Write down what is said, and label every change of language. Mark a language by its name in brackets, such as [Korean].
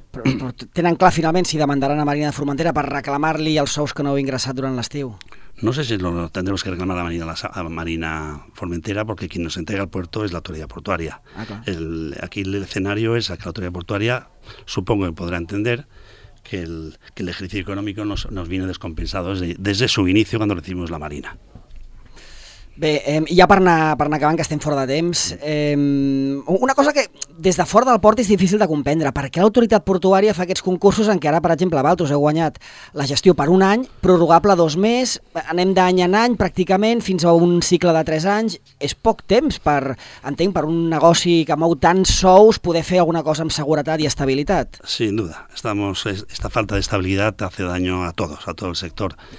[Catalan] Però tenen clar, finalment, si demandaran a Marina de Formentera per reclamar-li els sous que no havia ingressat durant l'estiu? [Spanish] No sé si lo tendremos que reclamar a Marina Formentera, porque quien nos entrega el puerto es la autoridad portuaria. Ah, claro. Aquí el escenario es que la autoridad portuaria, supongo que podrá entender que el ejercicio económico nos viene descompensado desde su inicio cuando recibimos la marina. [Catalan] Bé, ja per anar acabant, que estem fora de temps, una cosa que des de fora del port és difícil de comprendre, perquè l'autoritat portuària fa aquests concursos en què ara, per exemple, Valtros, heu guanyat la gestió per un any, prorrogable dos més, anem d'any en any pràcticament fins a un cicle de tres anys, és poc temps per, entenc, per un negoci que mou tants sous, poder fer alguna cosa amb seguretat i estabilitat. [Spanish] Sin duda, esta falta de estabilidad hace daño a todos, a todo el sector.